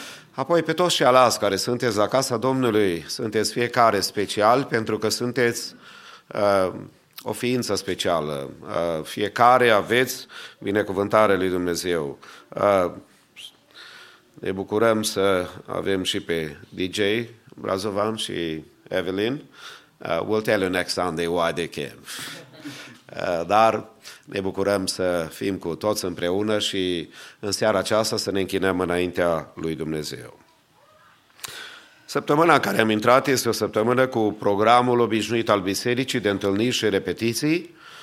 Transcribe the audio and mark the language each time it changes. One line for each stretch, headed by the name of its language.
Romanian: Apoi pe toți ceilalți care sunteți la casa Domnului, sunteți fiecare special pentru că sunteți o ființă specială. Fiecare aveți binecuvântarea lui Dumnezeu. Ne bucurăm să avem și pe DJ Brazovan și Evelyn.
English: We'll tell you next Sunday why they came.
Romanian: Dar ne bucurăm să fim cu toți împreună și în seara aceasta să ne închinăm înaintea lui Dumnezeu. Săptămâna în care am intrat este o săptămână cu programul obișnuit al bisericii de întâlniri și repetiții.